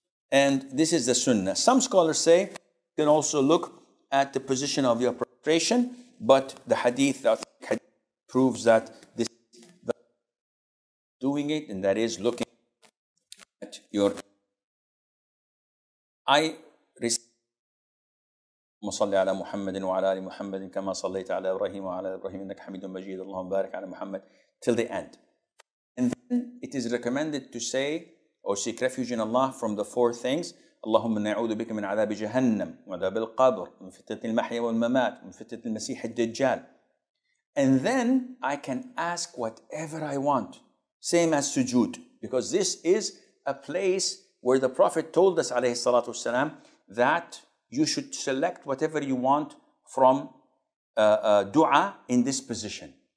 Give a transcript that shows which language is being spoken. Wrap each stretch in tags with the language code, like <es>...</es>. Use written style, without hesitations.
<en>And this is the sunnah. Some scholars say you can also look at the position of your prostration, but the hadith, proves that this is the doing it, and that is looking at your.</en> <ar>I اللهم صل على محمد وعلى آل محمد كما صليت على إبراهيم وعلى إبراهيم إنك حميد مجيد اللهم بارك على محمد</ar> <en>till the end. And then it is recommended to say or seek refuge in Allah from the four things.</en> <ar>اللهم نعوذ بك من عذاب جهنم وعذاب القبر من فتنة المحيا والممات من فتنة المسيح الدجال.</ar> <en>And then I can ask whatever I want, same as sujood, because this is a place where the Prophet told us</en> <ar>عليه الصلاة والسلام</ar> <en>that you should select whatever you want from dua in this position.</en>